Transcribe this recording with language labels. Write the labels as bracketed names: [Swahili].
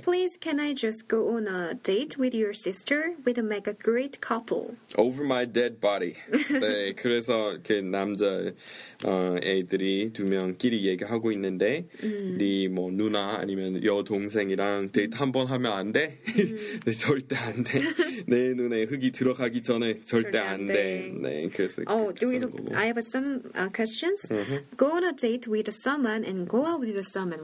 [English] Please, can I just go on a date with your sister? We'd make a great couple. Over my dead body. [Korean] 네, 그래서 그 남자 애들이 두 명끼리 얘기하고 있는데 네 뭐 누나 아니면 여동생이랑 데이트 한번 하면 안 돼? 네, 절대 안 돼. 내 눈에 흙이 들어가기 전에 절대 안 돼. 네, 그래서 여기서 [English] I have some questions. Uh-huh. Go on a date with someone and go out with someone.